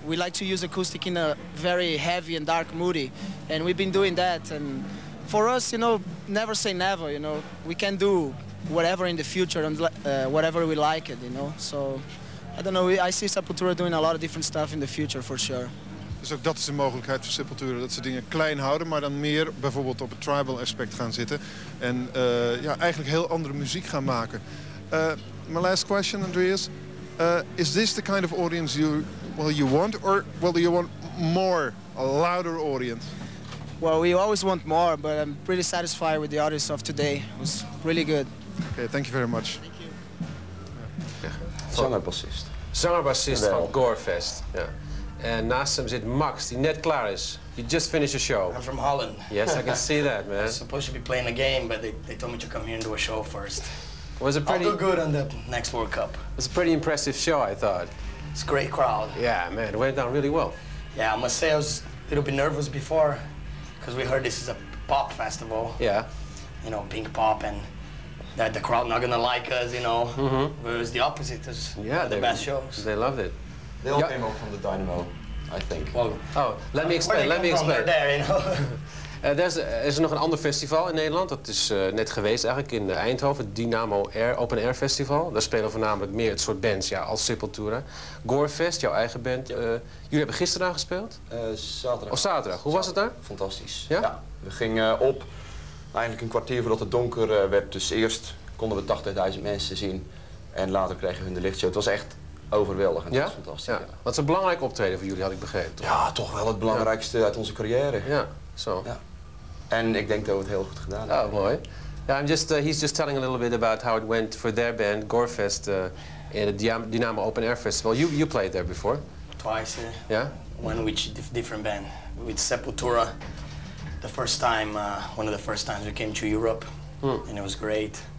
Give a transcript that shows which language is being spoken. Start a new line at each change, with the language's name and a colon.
English: We like to use acoustic in a very heavy and dark moody, and we've been doing that. And for us, you know, never say never, you know. We can do whatever in the future and whatever we like it, you know. So I don't know, I see Sepultura doing a lot of different stuff in the future, for sure.
Dutch: Dus ook dat is een mogelijkheid voor Sepultura, dat ze dingen klein houden, maar dan meer bijvoorbeeld op het tribal aspect gaan zitten. En ja, eigenlijk heel andere muziek gaan maken.
English: My last question, Andreas. Is this the kind of audience you want, or do you want more, a louder audience? Well, we always want more, but I'm pretty satisfied with the audience of today. It was really good. Okay, thank you very much.
Dutch: Zanger-bassist. Zanger-bassist van Gorefest. Ja. En naast hem zit Max, die net klaar is.
English: You just finished your show. I'm from Holland. Yes, I can see that, man. I was supposed to be playing a game, but they told me to come here and do a show first. Was it pretty... I'll do good on the next World Cup. It was a pretty impressive show, I thought. It's a great crowd. Yeah, man, it went down really well. Yeah, I must say I was a little bit nervous before, because we heard this is a pop festival. Yeah. You know, pink pop and... that the crowd not gonna like us, you know. Mm-hmm. Whereas the opposite is the best shows. They loved it. They all came out from the Dynamo, I think. Well, oh, let me explain. Let me explain. From? They're there, you know.
Dutch: Er is nog een ander festival in Nederland, dat is net geweest eigenlijk in Eindhoven, het Dynamo Air Open Air Festival. Daar spelen voornamelijk meer het soort bands, ja, als Sepultura. Gorefest, jouw eigen band. Ja. Jullie hebben gisteren aangespeeld? Zaterdag. Of zaterdag, hoe was het daar? Fantastisch. Ja? We gingen op eigenlijk een kwartier voordat het donker werd. Dus eerst konden we 80.000 mensen zien en later kregen we hun de lichtshow. Het was echt overweldigend. Ja? Dat was fantastisch. Ja. Ja. Wat is een belangrijk optreden voor jullie, had ik begrepen? Toch? Ja, toch wel het belangrijkste uit onze carrière. Ja, zo. Ja. En ik denk dat we het heel goed gedaan hebben. Oh, mooi.
English: Yeah, I'm just, he's just telling a little bit about how it went for their band, Gorefest, at the Dynamo Open Air Festival. You played there before. Twice, yeah. Yeah? One with different band, with Sepultura. The first time, one of the first times we came to Europe, and it was great.